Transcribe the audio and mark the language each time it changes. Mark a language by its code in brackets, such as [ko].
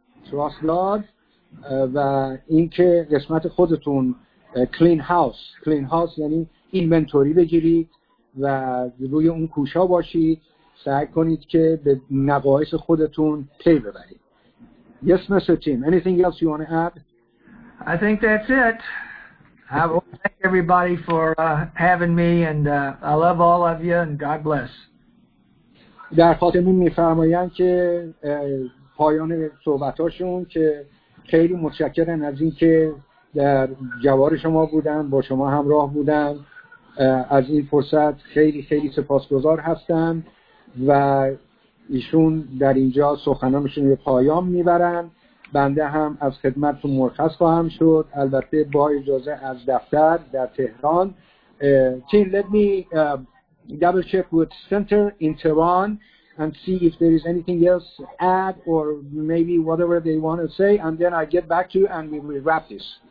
[en] Trust God [fa] و اینکه قسمت خودتون [en] clean house [fa] یعنی اینونتوری بگیرید و روی اون کوشا باشید، سعی کنید که به نقایص خودتون پی ببرید. [en] Yes, Mr. Tim, anything else you want to add? I think that's it. I want to thank everybody for having me and I love all of you and God bless. [fa] در خاتمه میفرمایم که پایان صحبتاشون که خیلی متشکرم از این که در جوار شما بودن، با شما همراه بودن، از این فرصت خیلی خیلی سپاسگزار هستم و ایشون در اینجا سخنانشون رو پایان میبرن. بنده هم از خدمتتون مرخص خواهم شد، البته با اجازه از دفتر در تهران. [en] Team, let me double check with center in Tehran and see if there is anything else to add or maybe whatever they want to say, and then I get back to you and we wrap this.